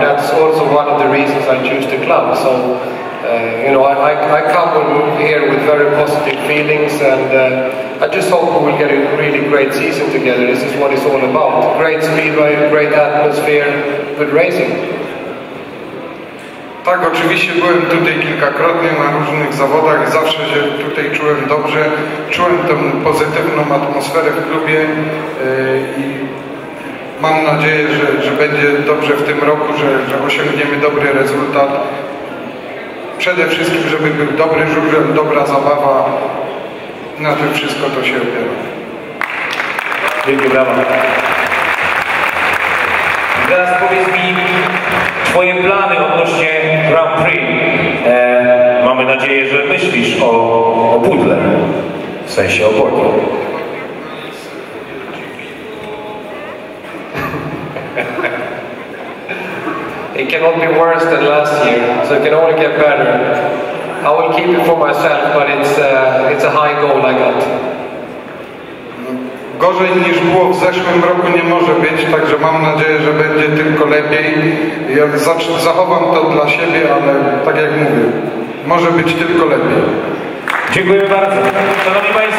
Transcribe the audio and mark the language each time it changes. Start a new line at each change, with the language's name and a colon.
English: That's also one of the reasons I choose the club. So you know, I come here with very positive feelings and I just hope we will get a really great season together. This is what it's all about. Great speedway, great atmosphere, good racing.
Polish: Tak, oczywiście byłem tutaj kilkakrotnie na różnych zawodach. Zawsze się tutaj czułem dobrze. Czułem tę pozytywną atmosferę w klubie i mam nadzieję, że będzie dobrze w tym roku, że osiągniemy dobry rezultat. Przede wszystkim, żeby był dobry żużel, dobra zabawa. Na tym wszystko to się opiera. Dzięki, brawo. Teraz powiedz mi twoje plany odnośnie Grand Prix. Mamy nadzieję, że myślisz o pudle, w sensie o pudle.
English: It cannot be worse than last year, so it can only get better. I will keep it for myself, but it's a high goal I got.
Polish: Gorzej niż było w zeszłym roku nie może być, także mam nadzieję, że będzie tylko lepiej. Ja zachowam to dla siebie, ale tak jak mówię, może być tylko lepiej. Dziękuję bardzo. Szanowni